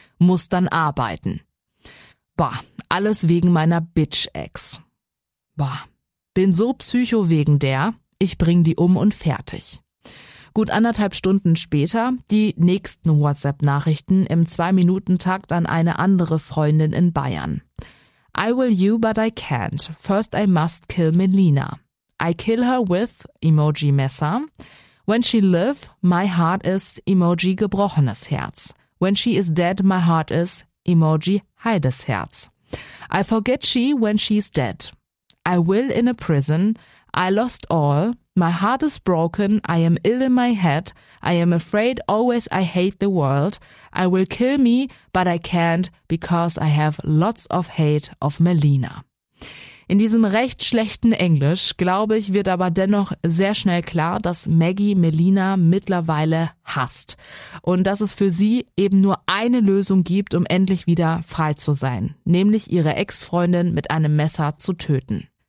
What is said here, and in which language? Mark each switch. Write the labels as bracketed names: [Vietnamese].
[German] Muss dann arbeiten. Boah, alles wegen meiner Bitch-Ex. Boah, bin so psycho wegen der, ich bring die um und fertig. Gut 1,5 Stunden später die nächsten WhatsApp-Nachrichten im 2-Minuten-Takt an eine andere Freundin in Bayern. [English] I will you, but I can't. First I must kill Melina. I kill her with emoji Messer. When she live, my heart is emoji [German] gebrochenes Herz. [English] When she is dead, my heart is emoji [German] heides Herz. [English] I forget she when she's dead. I will in a prison. I lost all. My heart is broken. I am ill in my head. I am afraid always I hate the world. I will kill me, but I can't because I have lots of hate of Melina. [German] In diesem recht schlechten Englisch, glaube ich, wird aber dennoch sehr schnell klar, dass Maggie Melina mittlerweile hasst und dass es für sie eben nur eine Lösung gibt, um endlich wieder frei zu sein, nämlich ihre Ex-Freundin mit einem Messer zu töten.